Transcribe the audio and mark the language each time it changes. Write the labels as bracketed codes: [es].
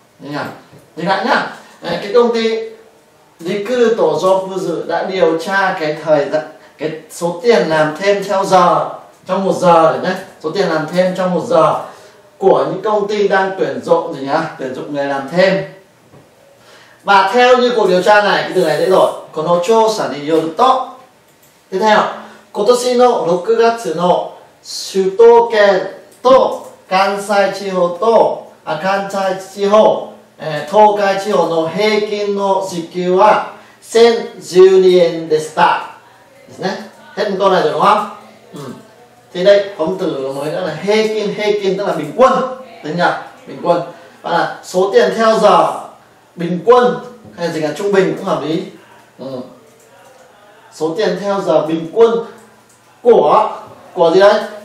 [vi] Nhìn lại nhá. Cái công ty Recruito Jobs đã điều tra cái thời gian, cái số tiền làm thêm theo giờ trong một giờ đấy nhé. Số tiền làm thêm trong một giờ của những công ty đang tuyển dụng gì nhá, tuyển dụng người làm thêm. Và theo như cuộc điều tra này, cái từ này dễ rồi. [ja] この調査によると [vi] Tiếp theo, [ja] 今年の6月の首都圏と関西地方と関西地方、東海地方の平均の時給は1012円でした。ですね。変動ないというのは、うん。 [vi] Thì đây, phóng từ mới nữa là 平均 tức là bình quân. Đúng nhỉ? Bình quân. Và là số tiền theo giờ bình quân hay là gì cả trung bình cũng hợp lý. Ừ. Số tiền theo giờ bình quân của gì đấy?